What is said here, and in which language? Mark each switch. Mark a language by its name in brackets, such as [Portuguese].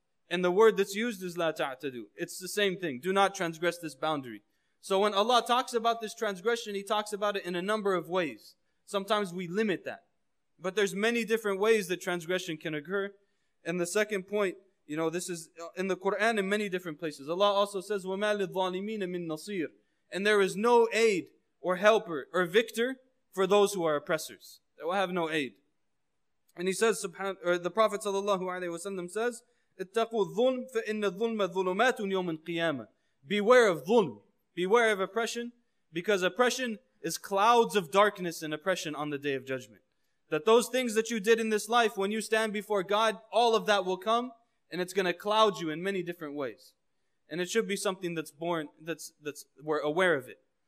[English] And the word that's used is لا تعتدوا. It's the same thing. Do not transgress this boundary. So when Allah talks about this transgression, He talks about it in a number of ways. Sometimes we limit that. But there's many different ways that transgression can occur. And the second point, you know, this is in the Quran in many different places. Allah also says, [Arabic] وَمَا لِلظَّالِمِينَ مِن نَصِيرٍ. [English] And there is no aid or helper or victor for those who are oppressors. They will have no aid. And He says, or the Prophet ﷺ says, [Arabic] اتَّقُوا الظُّلْمُ فَإِنَّ الظُّلْمَ ظُلُمَاتٌ يَوْمَ الْقِيَامَةِ. [English] Beware of ظُلْم. Beware of oppression. Because oppression is clouds of darkness and oppression on the Day of Judgment. That those things that you did in this life, when you stand before God, all of that will come, and it's going to cloud you in many different ways. And it should be something that's born, that's we're aware of it.